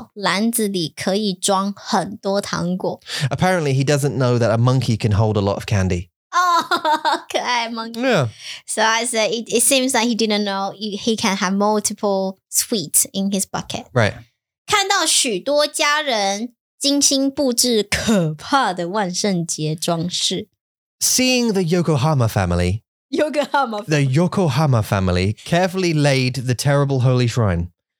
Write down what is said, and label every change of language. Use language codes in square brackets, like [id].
[zh] 似乎他不知道篮子里可以装很多糖果. [en] Apparently he doesn't know that a monkey can hold a lot of candy. Oh, 可爱 monkey. Yeah. So I said, it seems like he didn't know he can have multiple sweets in his bucket. Right. [zh] 看到许多家人精心布置可怕的万圣节装饰. [en] Seeing the Yokohama family. Yokohama. The Yokohama family carefully laid the terrible holy shrine.